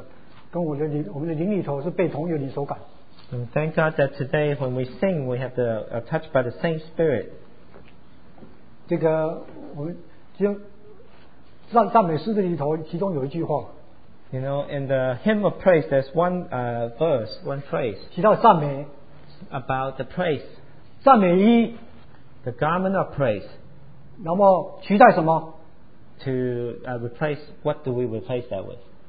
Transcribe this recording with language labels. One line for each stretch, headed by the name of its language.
Chinese: 我们真上面感谢主，我们在灵的里头，今天带领诗歌的，跟我们的灵里头是被同有灵所感。
English: And thank God that today when we sing, we have the touch by the same Spirit.
Chinese: 这个我们今赞美诗的里头，其中有一句话。
English: You know, in the hymn of praise, there's one verse, one phrase.
Chinese: 提到赞美。
English: About the praise.
Chinese: 赞美衣,
English: the garment of praise.
Chinese: 那么取代什么?
English: To replace, what do we replace that with?